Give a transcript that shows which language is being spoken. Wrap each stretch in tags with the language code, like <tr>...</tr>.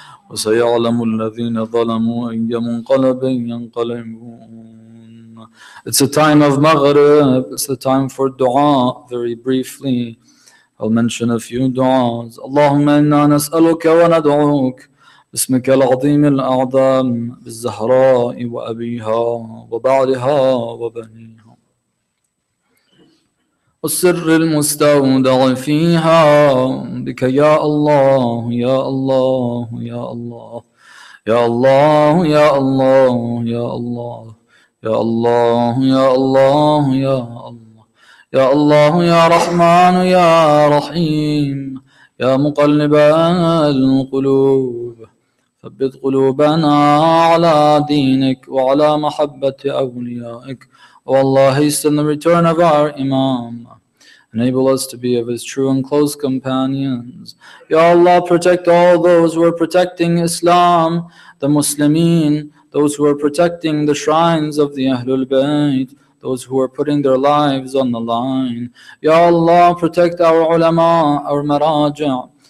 <ar>وسيعلم الذين ظلموا أي منقلب ينقلبون.</ar> <en>It's a time of Maghrib. It's the time for dua. Very briefly, I'll mention a few duas.</en> <ar>اللهم إنا نسألك وندعوك بسمك العظيم الأعظم بالزهراء وأبيها وبعدها وبنيها والسر المستودع فيها بك يا الله يا الله يا الله يا الله يا الله يا الله يا الله يا الله يا الله يا الله يا رحمن يا رحيم يا مقلب القلوب ثبت قلوبنا على دينك وعلى محبة أوليائك.</ar> <en>Allah, hasten the return of our Imam. Enable us to be of his true and close companions. Ya Allah, protect all those who are protecting Islam, the Muslimin, those who are protecting the shrines of the Ahlul Bayt, those who are putting their lives on the line. Ya Allah, protect our ulama, our maraja.</en>